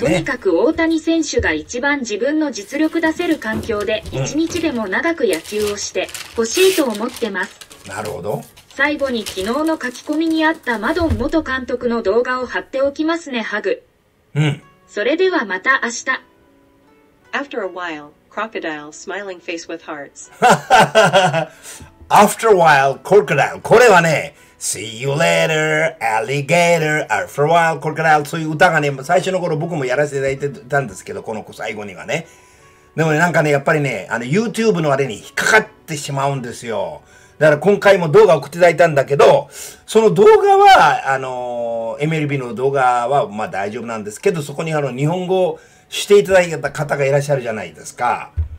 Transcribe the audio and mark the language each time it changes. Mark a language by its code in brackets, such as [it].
[ja] とにかく大谷選手が一番自分の実力出せる環境で、一日でも長く野球をして欲しいと思ってます。なるほど。最後に昨日の書き込みにあったマドン元監督の動画を貼っておきますね、ハグ。うん。それではまた明日。 [en] After a while, crocodile smiling face with hearts. ははははは。After a while, crocodile. [ja] これはね、 [en] See you later, alligator. After a while, crocodile. [ja] そういう歌がね、最初の頃僕もやらせていただいてたんですけど、この最後にはね。でもね、なんかね、やっぱりね、YouTube のあれに引っかかってしまうんですよ。だから今回も動画を送っていただいたんだけど、その動画は、MLB の動画はまあ大丈夫なんですけど、そこに日本語していただいた方がいらっしゃるじゃないですか。